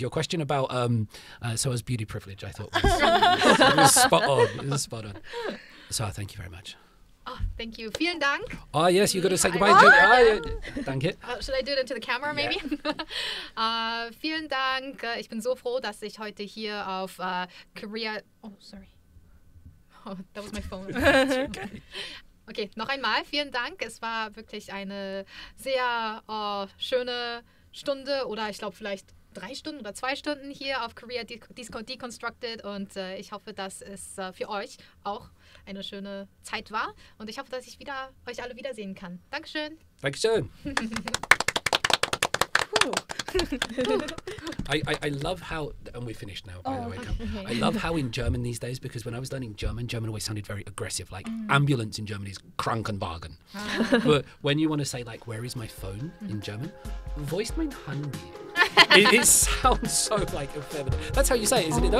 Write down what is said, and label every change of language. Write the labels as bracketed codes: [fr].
[en] Your question about Soa's beauty privilege, I thought was spot on. It was spot on. Soa, thank you very much. Oh, thank you. [de] Vielen Dank. [en] Oh, yes, you got to say goodbye. [de] Danke. [en] Should I do it into the camera, maybe? Yeah. [de] Vielen Dank. Ich bin so froh, dass ich heute hier auf Korea... [en] Oh, sorry. Oh, that was my phone. It's okay. [de] Okay, noch einmal. Vielen Dank. Es war wirklich eine sehr schöne Stunde oder ich glaube vielleicht 3 Stunden oder 2 Stunden hier auf Korea Deconstructed und ich hoffe, dass es für euch auch eine schöne Zeit war und ich hoffe, dass ich euch alle wiedersehen kann. Dankeschön. Dankeschön. [en] I love how, and we're finished now, by the way. Okay. I love how in German these days, because when I was learning German, German always sounded very aggressive. Like ambulance in German is Krankenwagen. But when you want to say like, where is my phone in German? Voice [de] mein Handy. [en] It sounds so like effeminate. That's how you say it, isn't it though?